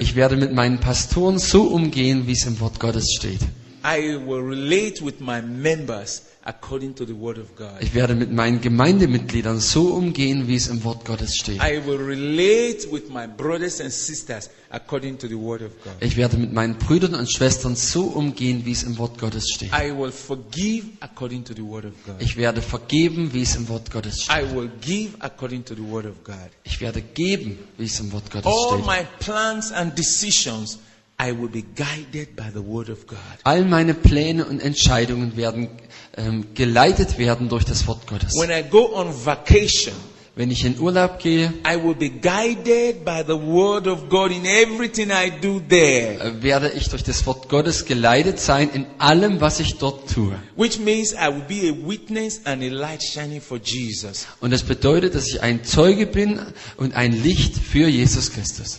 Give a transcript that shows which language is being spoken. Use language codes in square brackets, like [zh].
[de] Ich werde mit meinen Pastoren so umgehen, wie es im Wort Gottes steht. [en] I will relate with my members according to the word of God. [de] Ich werde mit meinen Gemeindemitgliedern so umgehen, wie es im Wort Gottes steht. [en] I will relate with my brothers and sisters according to the word of God. [de] Ich werde mit meinen Brüdern und Schwestern so umgehen, wie es im Wort Gottes steht. [en] I will forgive according to the word of God. [de] Ich werde vergeben, wie es im Wort Gottes steht. [en] I will give according to the word of God. [de] Ich werde geben, wie es im Wort Gottes [en] All [de] steht. [en] All my plans and decisions, I will be guided by the word of God. [de] All meine Pläne und Entscheidungen werden geleitet werden durch das Wort Gottes. [en] When I go on vacation, [de] wenn ich in Urlaub gehe, [en] I will be guided by the word of God in everything I do there. [de] Werde ich durch das Wort Gottes geleitet sein in allem, was ich dort tue. [en] Which means I will be a witness and a light shining for Jesus. [de] Und das bedeutet, dass ich ein Zeuge bin und ein Licht für Jesus Christus.